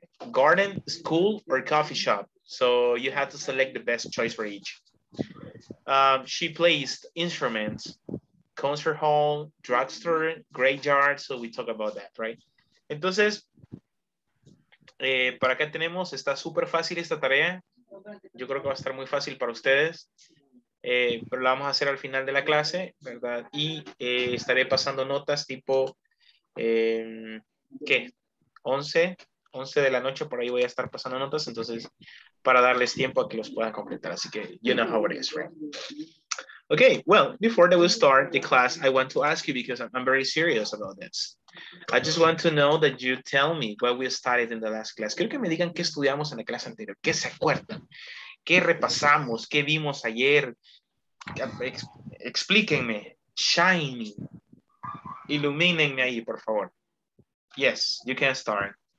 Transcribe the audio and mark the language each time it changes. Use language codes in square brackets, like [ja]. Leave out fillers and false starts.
[en] Garden, school, or coffee shop. So, you have to select the best choice for each. she plays instruments, concert hall, drugstore, graveyard, so we talk about that, right? [es] Entonces, para acá tenemos, está súper fácil esta tarea. Yo creo que va a estar muy fácil para ustedes, pero la vamos a hacer al final de la clase, ¿verdad? Y estaré pasando notas tipo, ¿qué? 11 de la noche, por ahí voy a estar pasando notas, entonces, para darles tiempo a que los puedan completar. Así que, [en] you know how it is, right? Okay, well, before we start the class, I want to ask you, because I'm very serious about this. I just want to know that you tell me what we studied in the last class. [es] Quiero que me digan qué estudiamos en la clase anterior, qué se acuerdan, qué repasamos, qué vimos ayer. Explíquenme, [en] shine me, [es] ilumínenme ahí, por favor. [en] Yes, you can start.